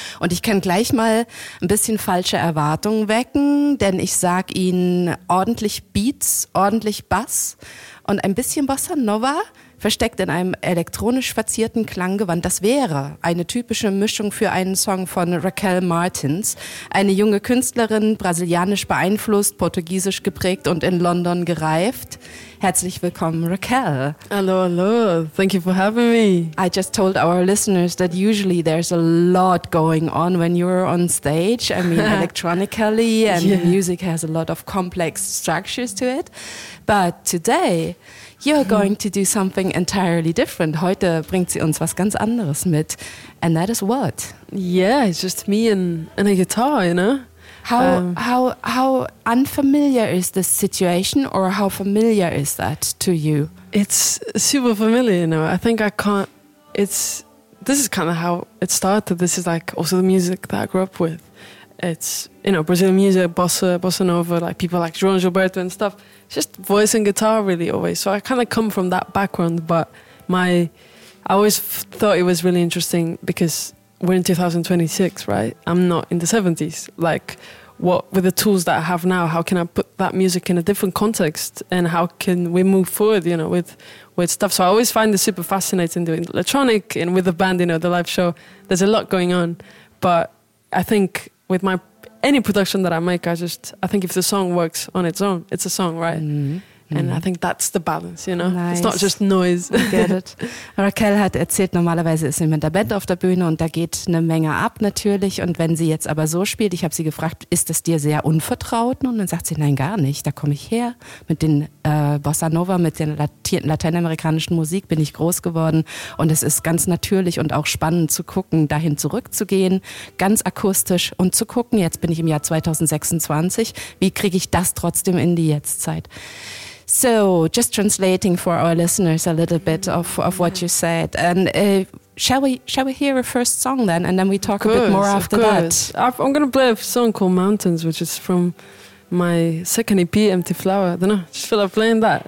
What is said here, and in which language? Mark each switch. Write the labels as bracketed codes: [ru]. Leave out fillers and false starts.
[de] Und ich kann gleich mal ein bisschen falsche Erwartungen wecken, denn ich sag Ihnen ordentlich Beats, ordentlich Bass und ein bisschen Bossa Nova versteckt in einem elektronisch verzierten Klanggewand. Das wäre eine typische Mischung für einen Song von Raquel Martins, eine junge Künstlerin, brasilianisch beeinflusst, portugiesisch geprägt und in London gereift. Herzlich willkommen, Raquel. Hallo, hallo. [en] Thank you for having me. I just told our listeners that usually there's a lot going on when you're on stage. I mean, electronically, and yeah, music has a lot of complex structures to it. But today, you're going to do something entirely different. [de] Heute bringt sie uns was ganz anderes mit. [en] And that is what? Yeah, it's just me and a guitar, you know? How unfamiliar is this situation, or how familiar is that to you? It's super familiar, you know. I think I can't... This is kind of how it started. This is like also the music that I grew up with. It's, you know, Brazilian music, bossa nova, like people like João Gilberto and stuff. It's just voice and guitar really always. So I kind of come from that background, but I always thought it was really interesting because we're in 2026, right? I'm not in the 70s. Like, what with the tools that I have now, how can I put that music in a different context, and how can we move forward, you know, with stuff? So I always find it super fascinating doing electronic and with the band, you know, the live show. There's a lot going on, but I think with my any production that I make, I think if the song works on its own, it's a song, right? Mm-hmm. And I think that's the balance, you know? Nice. It's not just noise. I get it. [de] Raquel hat erzählt, normalerweise ist sie mit der Band auf der Bühne und da geht eine Menge ab natürlich. Und wenn sie jetzt aber so spielt, ich habe sie gefragt, ist das dir sehr unvertraut? Und dann sagt sie, nein, gar nicht. Da komme ich her mit den Bossa Nova, mit der lateinamerikanischen Musik bin ich groß geworden. Und es ist ganz natürlich und auch spannend zu gucken, dahin zurückzugehen, ganz akustisch und zu gucken, jetzt bin ich im Jahr 2026, wie kriege ich das trotzdem in die Jetztzeit? [en] So, just translating for our listeners a little bit of what you said. And shall we hear a first song then? And then we talk course, a bit more after that. I'm going to play a song called Mountains, which is from my second EP, Empty Flower. I don't know, just feel like playing that.